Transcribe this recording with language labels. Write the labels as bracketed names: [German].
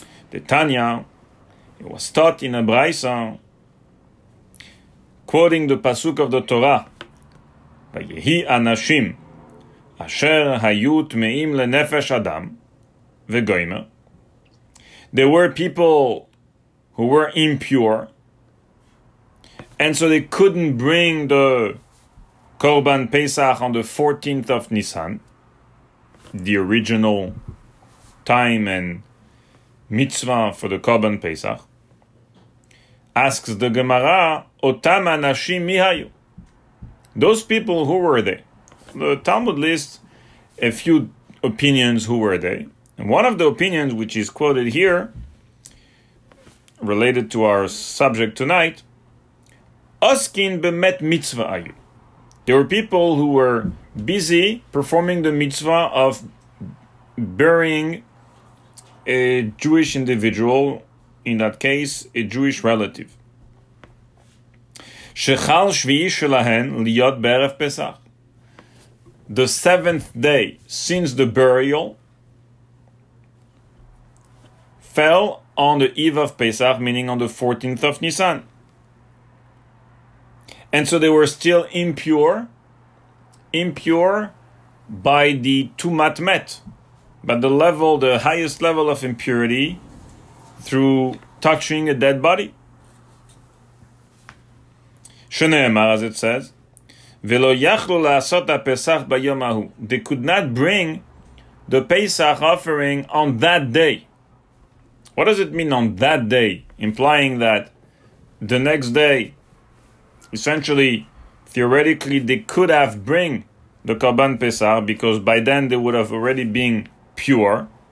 [English] The Tanya, it was taught in a braisa, quoting the pasuk of the Torah, [Hebrew] ויהי אנשים אשר היו טמאים לנפש אדם וגויימר. [English] There were people who were impure, and so they couldn't bring the Korban Pesach on the 14th of Nisan, the original time and mitzvah for the Korban Pesach. Asks the Gemara, [Hebrew] אותם אנשים מי היו? [English] Those people, who were they? The Talmud lists a few opinions, who were they. And one of the opinions, which is quoted here, related to our subject tonight, [Hebrew] Oskin b'met mitzvah ayu. [English] There were people who were busy performing the mitzvah of burying a Jewish individual, in that case, a Jewish relative. [Hebrew] Shechal shvi'i shelahen liyot be'erev Pesach. [English] The seventh day since the burial fell on the eve of Pesach, meaning on the 14th of Nisan. And so they were still impure by the tumat met, by the level, the highest level of impurity through touching a dead body. [Hebrew] Shene'emar, [English] as it says, [Hebrew] ולא יכלו לעשות הפסח ביום ההוא. [English] They could not bring the Pesach offering on that day. What does it mean on that day? Implying that the next day, essentially, theoretically, they could have bring the Korban Pesach because by then they would have already been pure.